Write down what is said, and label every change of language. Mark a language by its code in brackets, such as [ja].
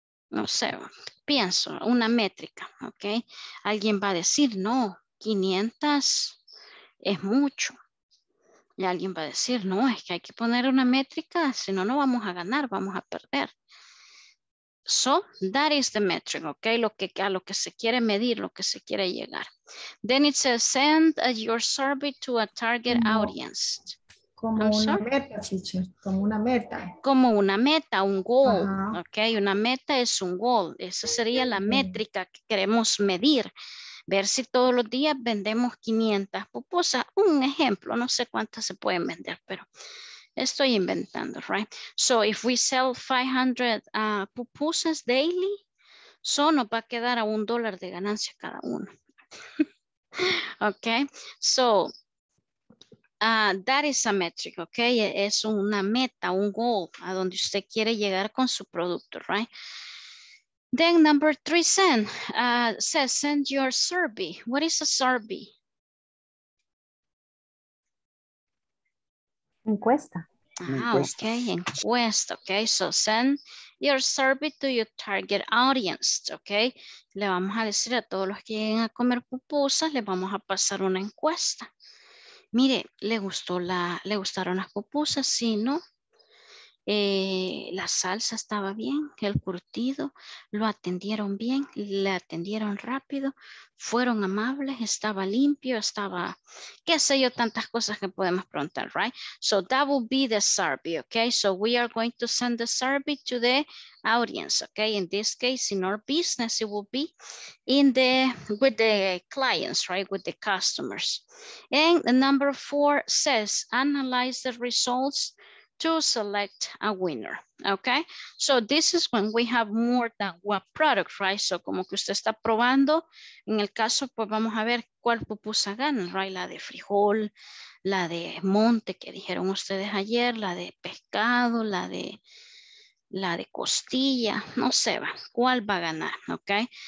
[es] No sé, pienso, una métrica, okay? Alguien va a decir, no, 500 es mucho. Y alguien va a decir, no, es que hay que poner una métrica, si no, no vamos a ganar, vamos a perder. [en] So, that is the metric, okay? [es] A lo que se quiere medir, lo que se quiere llegar. [en] Then it says, send your survey to a target audience. [es] Como una meta. Como una meta, un goal, okay? Una meta es un goal. Esa sería la métrica que queremos medir. Ver si todos los días vendemos 500 pupusas. Un ejemplo, no sé cuántas se pueden vender, pero... Estoy inventando, right? [en] So if we sell 500 pupusas daily, [es] so nos va a quedar a un dólar de ganancia cada uno. [en] Okay, so that is a metric, okay? [es] Es una meta, un goal, a donde usted quiere llegar con su producto, right? [en] Then number three, send your survey. What is a survey? [es] Encuesta. Encuesta. [en] Okay, so send your survey to your target audience, okay? [es] Le vamos a decir a todos los que lleguen a comer pupusas, le vamos a pasar una encuesta. Mire, ¿le gustaron las pupusas? Sí, ¿no? La salsa estaba bien, el curtido, lo atendieron bien, le atendieron rápido, fueron amables, estaba limpio, estaba, qué sé yo, tantas cosas que podemos preguntar, right? [en] So that will be the survey, okay? So we are going to send the survey to the audience, okay? In this case, in our business, it will be with the clients, right? With the customers. And number four says, analyze the results to select a winner, okay? So this is when we have more than one product, right? [es] So como que usted está probando, en el caso, pues vamos a ver cuál pupusa gana, right? La de frijol, la de monte que dijeron ustedes ayer, la de pescado, la de costilla, no sé, va, cuál va a ganar, okay?